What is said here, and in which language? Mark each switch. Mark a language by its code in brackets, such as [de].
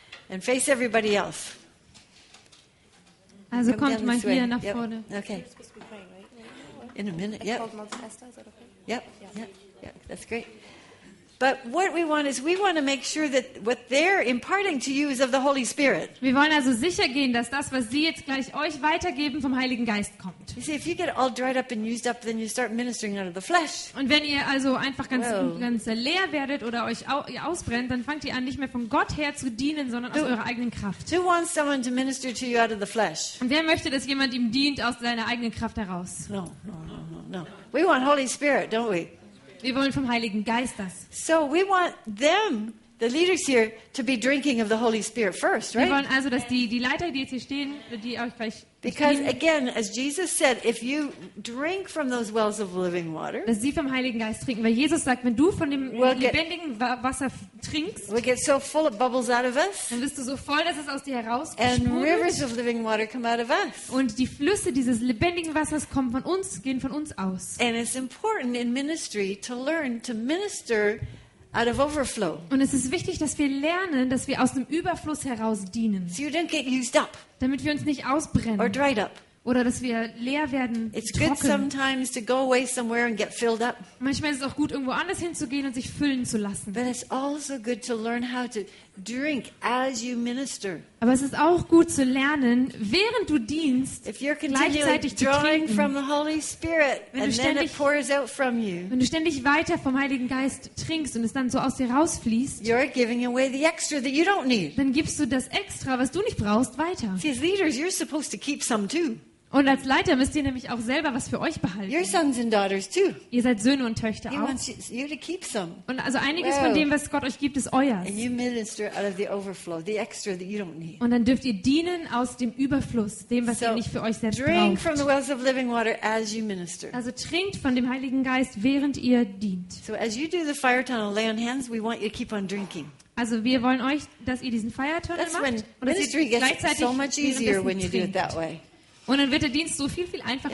[en] And face everybody else. [de] Also come kommt mal hier nach vorne. [en] Okay. In a minute, yeah. Yep, yeah, that's great. But what we want is we want to make sure that what they're imparting to you is of the Holy Spirit. [de] Wir wollen also sicher gehen, dass das, was sie jetzt gleich euch weitergeben, vom Heiligen Geist kommt. [en] You see, if you get all dried up and used up, then you start ministering out of the flesh. [de] Und wenn ihr also einfach ganz leer werdet oder euch ausbrennt, dann fangt ihr an, nicht mehr von Gott her zu dienen, sondern aus eurer eigenen Kraft. [en] Who wants someone to minister to you out of the flesh? [de] Und wer möchte, dass jemand ihm dient aus seiner eigenen Kraft heraus? [en] No. We want Holy Spirit, don't we? [de] Wir wollen vom Heiligen Geist das. [en] So we want them, the leaders here, to be drinking of the Holy Spirit first, right? [de] Wir wollen also, dass die Leiter, die jetzt hier stehen, die euch gleich [en] Because again, as Jesus said, if you drink from those wells of living water, [de] dass sie vom Heiligen Geist trinken, weil Jesus sagt, wenn du von dem lebendigen Wasser trinkst, [en] we'll get so full of bubbles out of us, [de] dann wirst du so voll, dass es aus dir herausspringt, [en] and rivers of living water come out of us, [de] und die Flüsse dieses lebendigen Wassers kommen von uns, gehen von uns aus. [en] And it's important in ministry to learn to minister. Out of overflow. [de] Und es ist wichtig, dass wir lernen, dass wir aus dem Überfluss heraus dienen. [en] So you don't get used up. [de] Damit wir uns nicht ausbrennen. [en] Or dried up. [de] Oder dass wir leer werden. [en] It's good sometimes to go away somewhere and get filled up. [de] Manchmal ist es auch gut, irgendwo anders hinzugehen und sich füllen zu lassen. [en] But it's also good to learn how to drink as you minister. [de] Aber es ist auch gut zu lernen, während du dienst, [en] if you're [de] gleichzeitig [en] drawing from the Holy Spirit and then it pours out from you. [de] Wenn du ständig weiter vom Heiligen Geist trinkst und es dann so aus dir rausfließt, [en] you're giving away the extra that you don't need. [de] Dann gibst du das Extra, was du nicht brauchst, weiter. [en] See, as leaders, you're supposed to keep some too. [de] Und als Leiter müsst ihr nämlich auch selber was für euch behalten. [en] Your sons and daughters too. [de] Ihr seid Söhne und Töchter auch. [en] He wants you to keep some. [de] Und also einiges von dem, was Gott euch gibt, ist euers. [en] And you minister out of the overflow, the extra that you don't need. [de] Und dann dürft ihr dienen aus dem Überfluss, dem, was ihr nicht für euch selbst [en] drink [de] braucht. [en] From the wells of living water as you minister. [de] Also trinkt von dem Heiligen Geist, während ihr dient. [en] So as you do the fire tunnel, lay on hands, we want you to keep on drinking. [de] Also wir wollen euch, dass ihr diesen Feiertunnel macht. [en] When [de] und dass ihr gleichzeitig [en] so much easier when you [de] trinkt. [en] Do it that way. [de] Und dann wird der Dienst so viel, viel einfacher,